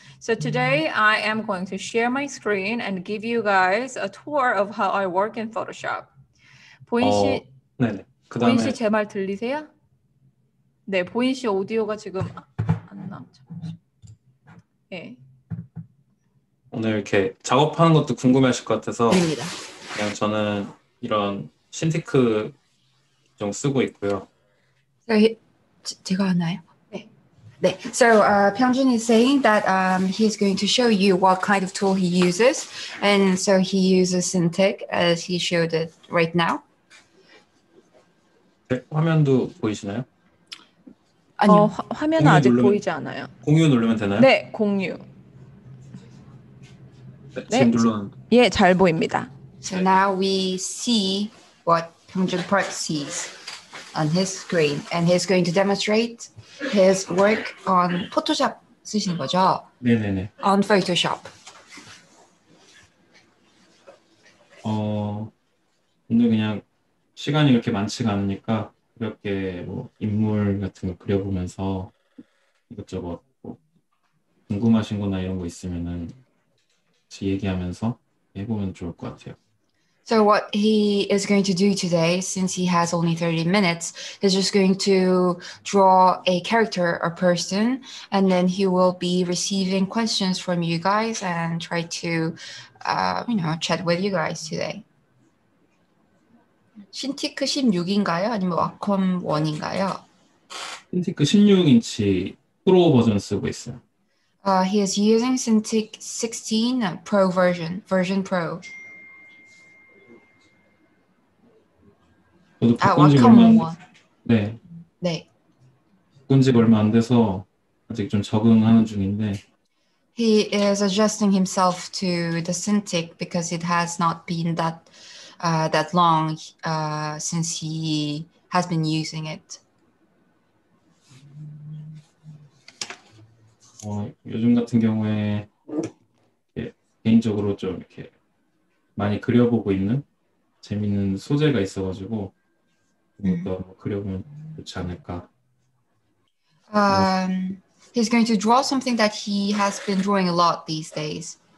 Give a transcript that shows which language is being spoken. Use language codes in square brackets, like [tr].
[en] So today I am going to share my screen and give you guys a tour of how I work in Photoshop. [ko] 보인 씨 제 말 들리세요? 네, 보인 씨 오디오가 지금 네. 오늘 이렇게 작업하는 것도 궁금해하실 것 같아서 됩니다. 그냥 저는 이런 신티크 좀 쓰고 있고요. 제가 하나요? 네. 네. [en] So, Pyeongjun is saying that he is going to show you what kind of tool he uses, and so he uses Cintiq as he showed it right now. [ko] 네, 화면도 보이시나요? 아니요. 화면은 아직 누르면, 보이지 않아요. 공유 누르면 되나요? 네, 공유. 네, 지금 눌러놓은. 예, 잘 보입니다. [en] So now we see what Pyeongjun Park sees on his screen. And he's going to demonstrate his work on Photoshop [ko] 쓰시는 거죠? 네네네. [en] On Photoshop. [ko] 근데 그냥 시간이 이렇게 많지가 않으니까 이렇게 뭐 인물 같은 거 그려보면서 이것저것 뭐 궁금하신 거나 이런 거 있으면은 같이 얘기하면서 해보면 좋을 것 같아요. [en] So what he is going to do today, since he has only 30 minutes, he's just going to draw a character, a person, and then he will be receiving questions from you guys and try to, you know, chat with you guys today. [ko] 신티크 16인가요? 아니면 와컴 1인가요? 신티크 16인치 프로 버전 쓰고 있어요. [en] He is using Cintiq 16 Pro version, version Pro. At Wacom One. [ko] 네. 바꾼 지 얼마 안 돼서 아직 좀 적응하는 중인데. [en] He is adjusting himself to the Cintiq because it has not been that that long since he has been using it. [ko] 요즘 같은 경우에 개인적으로 좀 이렇게 많이 그려보고 있는 재미있는 소재가 있어가지고 그것도 그려보면 좋지 않을까. [en] He's going to draw something that he has been drawing a lot these days.